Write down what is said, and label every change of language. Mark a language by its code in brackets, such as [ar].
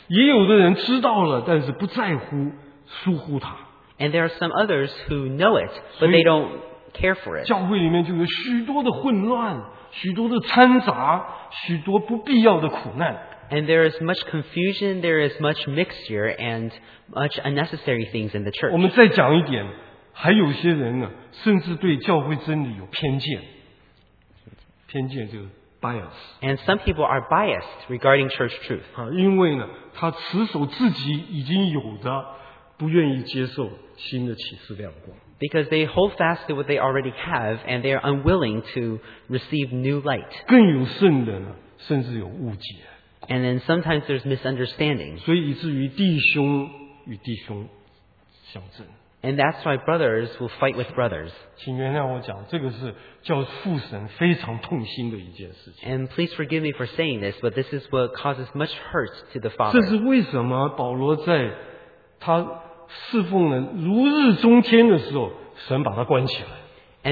[zh] 也有的人知道了，但是不在乎，疏忽他。 [en] And there are some others who know it, but they don't care for it. [zh] 教会里面就有许多的混乱，许多的掺杂，许多不必要的苦难。 [en] And there is much confusion, there is much mixture, and much unnecessary things in the church. [zh] 我们再讲一点，还有些人呢，甚至对教会真理有偏见。偏见就是 bias. [en] And some people are biased regarding church truth. [zh] 因为呢，他持守自己已经有的，不愿意接受新的启示亮光。 [en] Because they hold fast to what they already have, and they are unwilling to receive new light. [zh] 更有甚的呢，甚至有误解。 [en] And then sometimes there's misunderstanding. [zh] 所以以至于弟兄与弟兄相争。 [en] And that's why brothers will fight with brothers. [zh] 请原谅我讲，这个是叫父神非常痛心的一件事情。 [en] And please forgive me for saying this, but this is what causes much hurt to the Father. [zh] 这是为什么保罗在他侍奉人如日中天的时候，神把他关起来。